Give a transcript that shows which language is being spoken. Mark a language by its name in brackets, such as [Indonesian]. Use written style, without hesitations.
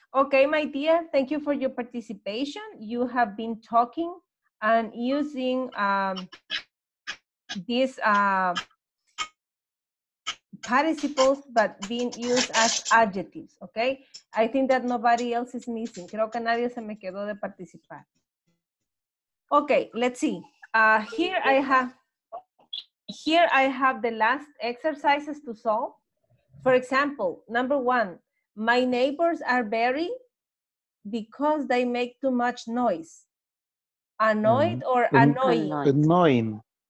[English] Okay, my dear, thank you for your participation. You have been talking and using these participles, but being used as adjectives, okay? I think that nobody else is missing. [Spanish] Creo que nadie se me quedó de participar. [English] Okay, let's see. Here I have the last exercises to solve. For example, number one, my neighbors are very because they make too much noise. Annoyed or annoying?